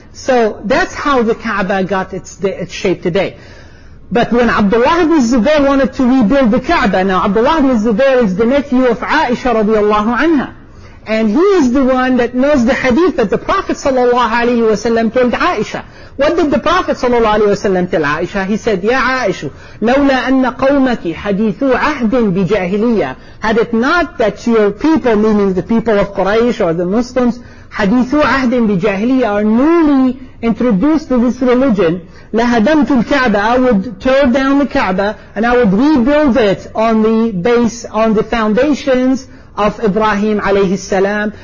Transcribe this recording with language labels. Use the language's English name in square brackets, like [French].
[English] So that's how the Kaaba got its shape today. But when Abdullah ibn Zubair wanted to rebuild the Kaaba, now Abdullah ibn Zubair is the nephew of Aisha radiallahu anha. And he is the one that knows the hadith that the Prophet ﷺ told Aisha. What did the Prophet ﷺ tell Aisha? He said, [Arabic] Ya Aisha, لَوْلَا أَنَّ قَوْمَكِ حَدِيثُ عَهْدٍ بِجَاهِلِيَّةٍ. [English] Had it not that your people, meaning the people of Quraysh or the Muslims, [Arabic] حَدِيثُ عَهْدٍ بِجَاهِلِيَّةٍ, [English] are newly introduced to this religion, [Arabic] لَهَدَمْتُ الْكَعْبَ, [English] I would tear down the Kaaba and I would rebuild it on the base, on the foundations of Ibrahim alayhi salam.